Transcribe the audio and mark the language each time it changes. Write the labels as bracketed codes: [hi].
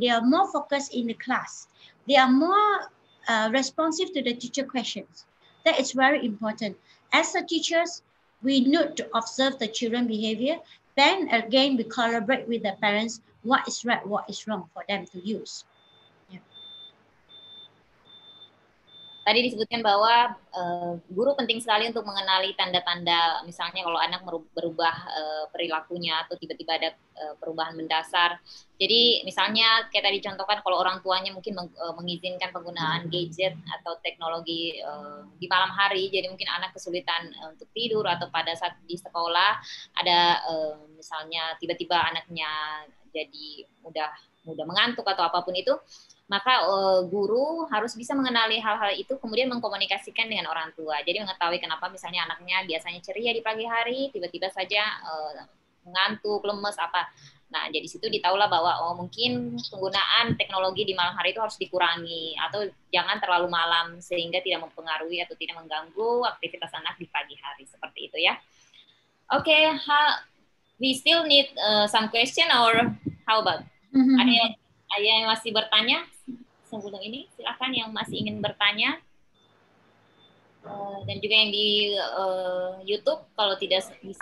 [en] They are more focused in the class. They are more responsive to the teacher questions. That is very important. As the teachers, we need to observe the children behavior. Then again, we collaborate with the parents. What is right, what is wrong for them to use. Yeah. [id] Tadi disebutkan bahwa guru penting sekali untuk mengenali tanda-tanda, misalnya kalau anak berubah perilakunya atau tiba-tiba ada perubahan mendasar. Jadi misalnya kayak tadi contohkan kalau orang tuanya mungkin mengizinkan penggunaan gadget atau teknologi di malam hari, jadi mungkin anak kesulitan untuk tidur atau pada saat di sekolah ada misalnya tiba-tiba anaknya jadi mudah mengantuk atau apapun itu, maka guru harus bisa mengenali hal-hal itu, kemudian mengkomunikasikan dengan orang tua. Jadi mengetahui kenapa misalnya anaknya biasanya ceria di pagi hari, tiba-tiba saja mengantuk, lemes, apa. Nah, jadi situ ditahulah bahwa mungkin penggunaan teknologi di malam hari itu harus dikurangi, atau jangan terlalu malam sehingga tidak mempengaruhi atau tidak mengganggu aktivitas anak di pagi hari, seperti itu ya. [en] Oke, we still need some question or how about? [id] Ada yang masih bertanya sebelum ini? Silakan yang masih ingin bertanya dan juga yang di YouTube kalau tidak bisa.